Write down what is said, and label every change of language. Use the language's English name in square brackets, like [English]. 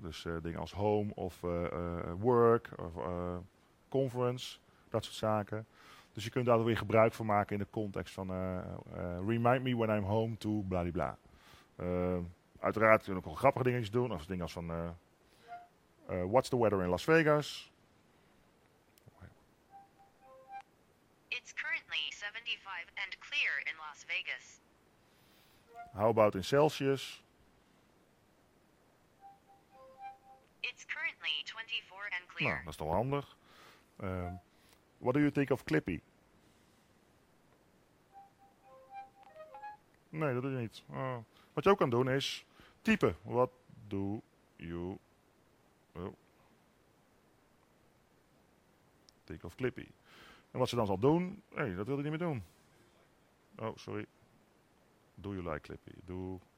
[Dutch] Dus dingen als home of work of conference, dat soort zaken. Dus je kunt daar weer gebruik van maken in de context van [English] remind me when I'm home to blablabla. [Dutch] Uiteraard kun je ook wel grappige dingetjes doen, of dingen als van [English] what's the weather in Las Vegas? It's currently 75 and clear in Las Vegas. How about in Celsius? It's currently 24 and clear. [Dutch] Nou, dat is toch handig. [English] What do you think of Clippy? [Dutch] Nee, dat doe je niet. Wat je ook kan doen is typen. [English] What do you... Think of Clippy. [Dutch] En wat ze dan zal doen... Hey, dat wilde hij niet meer doen. [English] Oh, sorry. Do you like Clippy? Do